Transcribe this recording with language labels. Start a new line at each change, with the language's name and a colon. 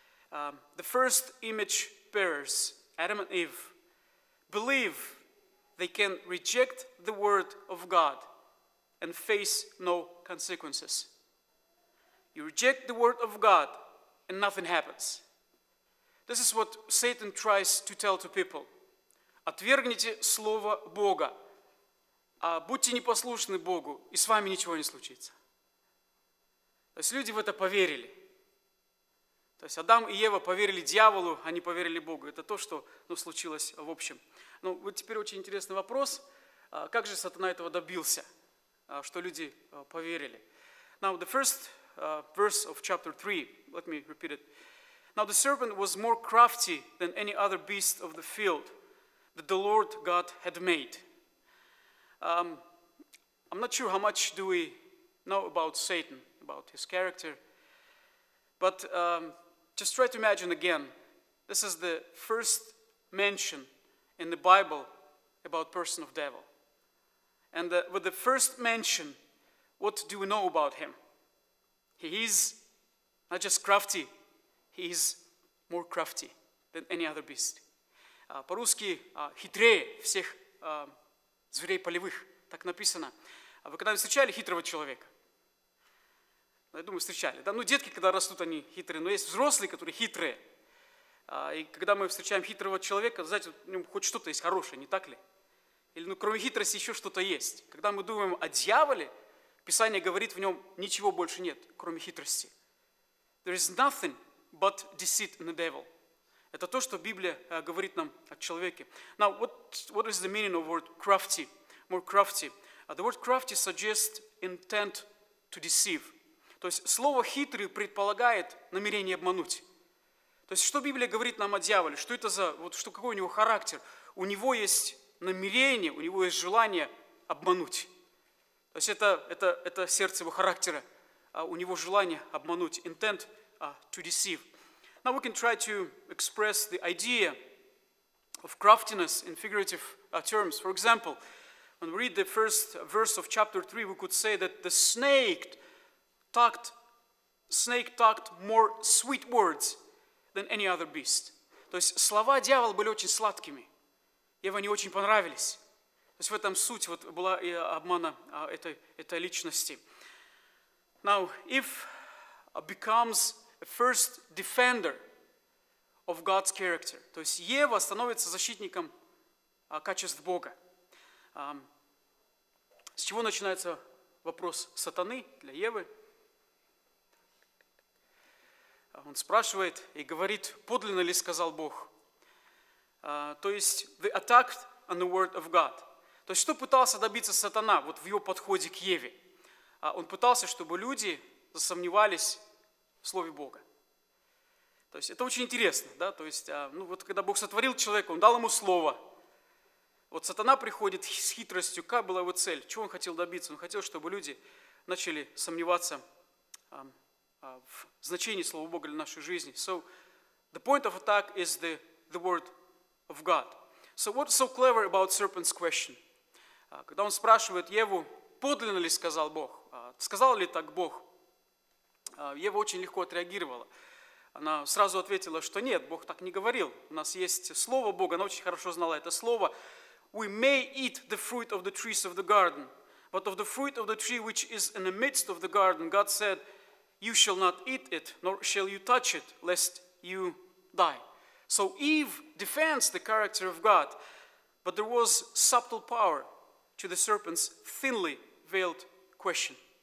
English: The first image bearers, Adam and Eve, believe they can reject the word of God and face no consequences. You reject the word of God and nothing happens. This is what Satan tries to tell to people.
Russian: Отвергните слово Бога, будьте непослушны Богу, и с вами ничего не случится. То есть люди в это поверили. То есть Адам и Ева поверили дьяволу, а не поверили Богу. Это то, что случилось в общем. Ну, вот теперь очень интересный вопрос. Как же сатана этого добился, что люди поверили?
English: Now, the first verse of chapter 3, let me repeat it. Now, the serpent was more crafty than any other beast of the field that the Lord God had made. I'm not sure how much do we know about Satan, about his character, but just try to imagine again, this is the first mention in the Bible about person of devil. And with the first mention, what do we know about him? He is not just crafty, he is more crafty than any other beast.
Russian: По-русски, хитрее всех зверей полевых, так написано. А вы когда-нибудь встречали хитрого человека? Я думаю, встречали. Да, ну, детки, когда растут, они хитрые. Но есть взрослые, которые хитрые. И когда мы встречаем хитрого человека, знаете, в нем хоть что-то есть хорошее, не так ли? Или, ну, кроме хитрости еще что-то есть. Когда мы думаем о дьяволе, Писание говорит, в нем ничего больше нет, кроме хитрости.
English: There is nothing but deceit in the devil.
Russian: Это то, что Библия говорит нам о человеке.
English: Now, what is the meaning of the word crafty? More crafty. The word crafty suggests intent to deceive.
Russian: То есть слово «хитрый» предполагает намерение обмануть. То есть что Библия говорит нам о дьяволе? Что это за, вот что, какой у него характер? У него есть намерение, у него есть желание обмануть. То есть это сердце его характера, у него желание обмануть.
English: Intent to deceive. Now we can try to express the idea of craftiness in figurative terms. For example, when we read the first verse of chapter 3, we could say that the snake talked more sweet words than any other beast.
Russian: То есть слова дьявола были очень сладкими. Ева не очень понравились. То есть в этом суть вот была и обмана этой личности.
English: Now, Eve becomes a first defender of God's character.
Russian: То есть Ева становится защитником качеств Бога. С чего начинается вопрос сатаны для Евы? Он спрашивает и говорит, подлинно ли сказал Бог. То есть,
English: the attack on the word of God.
Russian: То есть, что пытался добиться сатана вот в его подходе к Еве? Он пытался, чтобы люди засомневались в слове Бога. То есть, это очень интересно, да? То есть, ну вот когда Бог сотворил человека, он дал ему слово. Вот сатана приходит с хитростью, какая была его цель, чего он хотел добиться? Он хотел, чтобы люди начали сомневаться в значении слова Бога для нашей жизни.
English: So, the point of attack is the word of God. So, what's so clever about serpent's question?
Russian: Когда он спрашивает Еву, подлинно ли сказал Бог? Сказал ли так Бог? Ева очень легко отреагировала. Она сразу ответила, что нет, Бог так не говорил. У нас есть слово Бога, она очень хорошо знала это слово.
English: We may eat the fruit of the trees of the garden, but of the fruit of the tree which is in the midst of the garden, God said, you shall not eat it, nor shall you touch it, lest you die. So Eve defends the character of God, but there was subtle power to the serpent's thinly veiled question.